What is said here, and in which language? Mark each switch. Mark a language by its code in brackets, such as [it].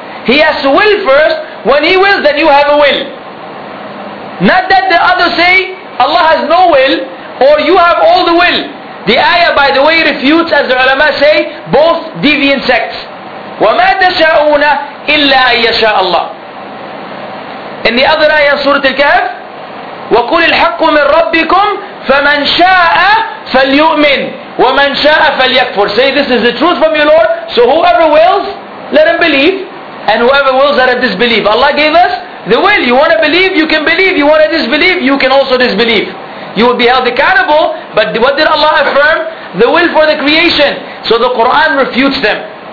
[en] He has to will first. When He wills, then you have a will. Not that the others say Allah has no will or you have all the will. The ayah, by the way, refutes, as the ulama say, both deviant sects. [ar] وَمَا تَشَاءُونَ إِلَّا أَن يَشَاءَ اللَّهِ. [en] In the other ayah, [ar] Surah Al-Kahf, وَقُلِ الْحَقُّ مِنْ رَبِّكُمْ فَمَنْ شَاءَ فَلْيُؤْمِنْ وَمَنْ شَاءَ فَلْيَكْفُرْ. [en] Say, this is the truth from your Lord. So whoever wills, let him believe. And whoever wills, let him disbelieve. Allah gave us the will. You want to believe, you can believe. You want to disbelieve, you can also disbelieve. You will be held accountable. But what did Allah affirm? The will for the creation. So the Quran refutes them.